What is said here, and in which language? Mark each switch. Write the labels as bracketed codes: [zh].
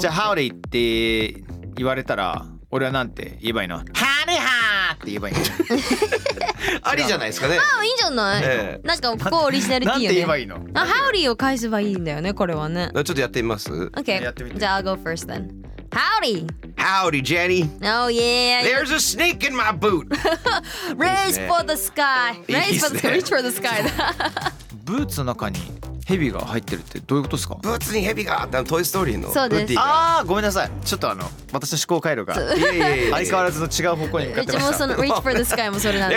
[ja] じゃあ Howdy って言われたら、俺はなんて言えばいいの？ハニハーって言えばいいの？ありじゃないですかね。まあいいんじゃない、ええ、なんかこうオリジナリティーよね。なんて言えばいいの？ハウリーを返せばいいんだよね、これはね。ちょっとやってみます？ [en] OK、 [ja] じゃあ [en] I'll go first then. Howdy! Howdy, Jenny! Oh yeah! There's a snake in my boot! Raise for the sky! Raise for the sky! Reach for the sky! [ja] ブーツの中にヘビが入ってるってどういうことですか？ブーツにヘビが、あのトイストーリーのブーティーが。あー、ごめんなさい、ちょっとあの私の思考回路が相変わらずの違う方向に向かってました。うちもその Reach for the Sky もそれなんで。